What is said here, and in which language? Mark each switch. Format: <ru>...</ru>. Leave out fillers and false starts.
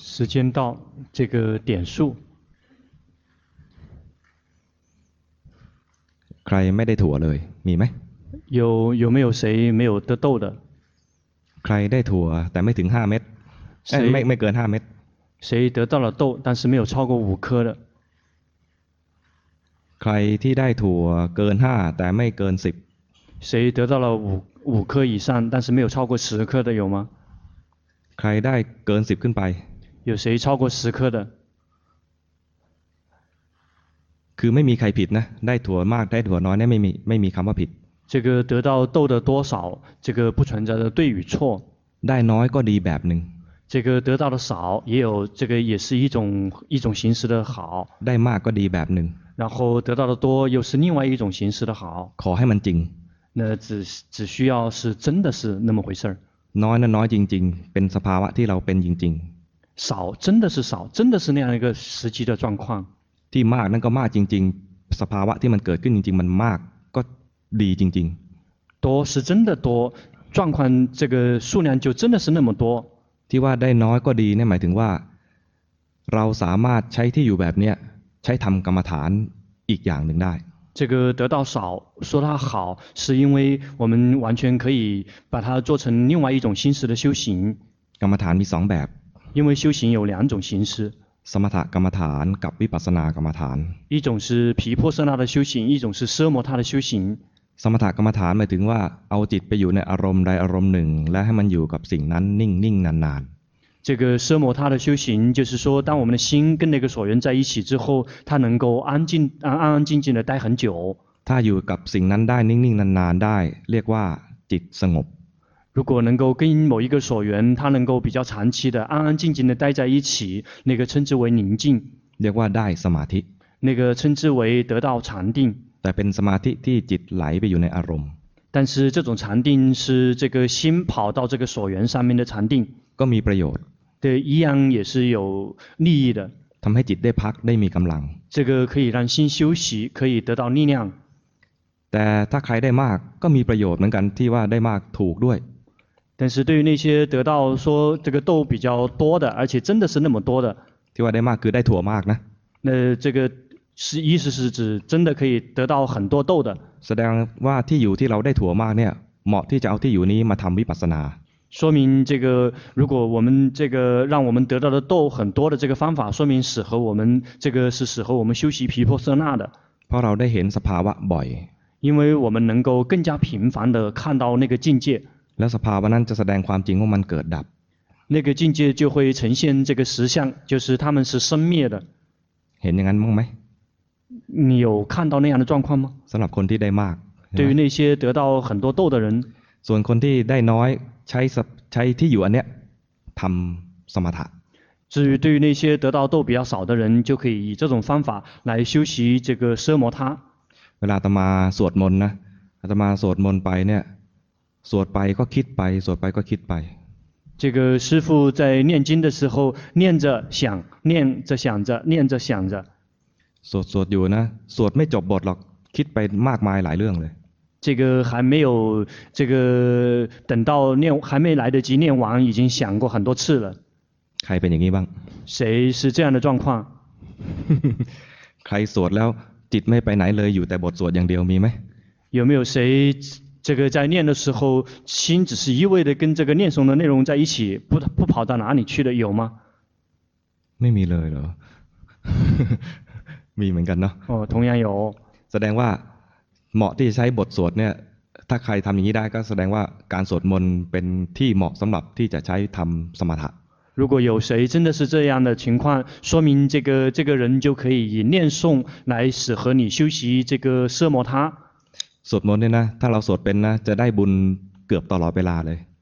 <zh>时间到这个点数</zh> <th>ใครไม่ได้ถั่วเลยมีไหม</th> <zh>有没有谁没有得豆的</zh> <th>ใครได้ถั่วแต่ไม่ถึง5เม็ดไม่เกิน5เม็ด</th> <zh>谁得到了豆但是没有超过5颗的</zh> <th>ใครที่ได้ถั่วเกิน5แต่ไม่เกิน10</th> <zh>谁得到了5颗以上但是没有超过10颗的有吗</zh> <th>ใครได้เกิน10ขึ้นไป</th> <zh>有谁超过10颗的</zh> <th>คือไม่มีใครผิดนะได้ถั่วมากได้ถั่วน้อยนี่ไม่มีคำว่าผิด</th> <zh>这个得到豆的多少这个不存在的对与错</zh> <th>ได้น้อยก็ดีแบบหนึ่ง</th> <zh>这个得到的少也有这个也是一种形式的好</zh> <th>ได้มากก็ดีแบบหนึ่ง</th> <zh>然后得到的多又是另外一种形式的好</zh> <th>ขอให้มันจริง</th> <zh>那只需要是真的是那么回事</zh> <th>น้อยนะน้อยจริงๆเป็นสภาวะที่เราเป็นจริง</th> <zh>ๆ少真的是少真的是那样一个实际的状况</zh> <th>ที่มากนั่นก็มากจริงๆสภาวะที่มันเกิดขึ้นจริงๆมันมากก็ดีจริง</th> <zh>ๆ多是真的多状况这个数量就真的是那么多</zh> <th>ที่ว่าได้น้อยก็ดีเนี่ยหมายถึงว่าเราสามารถใช้ที่อยู่แบบเนี้ยใช้ทำกรรมฐานอีกอย่างหนึ่งได้</th> <zh>这个得到少说它好是因为我们完全可以把它做成另外一种形式的修行</zh> <th>กรรมฐานมีสองแบบ</th> <zh>因为修行有两种形式</zh> <th>สมถกรรมฐานกับวิปัสสนากรรมฐาน</th> <zh>一种是毗婆舍那的修行一种是奢摩他的修行</zh> <th>สมถกรรมฐานหมายถึงว่าเอาจิตไปอยู่ในอารมณ์ใดอารมณ์หนึ่งและให้มันอยู่กับสิ่งนั้นนิ่งนิ่งนานนาน</th> <zh>这个奢摩他的修行就是说当我们的心跟那个所缘在一起之后它能够安静安安静静的待很久</zh> <th>ถ้าอยู่กับสิ่งนั้นได้นิ่งนิ่งนานนานได้เรียกว่าจิตสงบ</th> <zh>如果能够跟某一个所缘他能够比较长期的安安静静的待在一起那个称之为宁静</zh> <th>เรียกว่าได้สมาธิ</th> <zh>那个称之为得到禅定</zh> <th>แต่เป็นสมาธิที่จิตไหลไปอยู่ในอารมณ์</th> <zh>但是这种禅定是这个心跑到这个所缘上面的禅定</zh> <th>ก็มีประโยชน์</th> <zh>对一样也是有利益的</zh> <th>ทำให้จิตได้พักได้มีกำลัง</th> <zh>这个可以让心休息可以得到力量</zh> <th>แต่ถ้าใครได้มากก็มีประโยชน์เหมือนกันที่ว่าได้มากถูกด้วย แต่</th> <zh>对于那些得到说这个豆比较多的而且真的是那么多的</zh> <th>ที่ว่าได้มากคือได้ถั่วมากนะ</th> <zh>那这个是意思是指真的可以得到很多豆的</zh> <th>แสดงว่าที่อยู่ที่เราได้ถั่วมากเนี่ยเหมาะที่จะเอาที่อยู่นี้มาทำวิปัสสนา</th> <zh>说明这个，如果我们这个让我们得到的豆很多的这个方法，说明适合我们这个是适合我们修习毗婆舍那的。</zh> <th>เราได้เห็นสภาวะบ่อย，</th> <zh>因为我们能够更加频繁的看到那个境界。</zh> <th>และสภาวะนั้นจะแสดงความจริงว่ามันเกิดดับ。</th> <zh>那个境界就会呈现这个实相，就是他们是生灭的。</zh> <th>เห็นอย่างนั้นมั้งไหม？</th> <zh>你有看到那样的状况吗？</zh> <th>สำหรับคนที่ได้มาก，</th> <zh>对于那些得到很多豆的人。</zh> <th>ส่วนคนที่ได้น้อยใช้ที่อยู่อันเนี้ยทำสมถะ</th> <zh>至于对于那些得到豆比较少的人就可以以这种方法来修习这个奢摩他</zh> <th>เวลาอาตมาสวดมนต์นะอาตมาสวดมนต์ไปเนี่ยสวดไปก็คิดไปสวดไปก็คิดไป</th> <zh>这个师父在念经的时候念着想念着想着念着想着</zh> <th>สวดอยู่นะสวดไม่จบบทหรอกคิดไปมากมายหลายเรื่องเลย</th> <zh>这个还没有这个等到念还没来得及念完已经想过很多次了</zh> <th>ใครเป็นอย่างนี้บ้าง</th> <zh>谁是这样的状况</zh> <th>ใครสวดแล้วจิตไม่ไปไหนเลยอยู่แต่บทสวดอย่างเดียวมีไหม</th> <zh>有没有谁这个在念的时候心只是一味的跟这个念诵的内容在一起不跑到哪里去的有吗</zh> <th>ไม่มีเลยหรอมีเหมือนกันเน า ะ</th> <zh>哦同样有</zh> <th>แสดงว่าเหมาะที่จะใช้บทสวดเนี่ยถ้าใครทำอย่างนี้ได้ก็แสดงว่าการสวดมนต์เป็นที่เหมาะสำหรับที่จะใช้ทำสมถะ</th> <zh>如果有谁真的是这样的情况说明这个人就可以以念诵来适合你修习这个奢摩他</zh> <th>สวดมนต์เนี่ยนะถ้าเราสวดเป็นนะจะได้บุญเกือบตลอดเวลาเลย</th>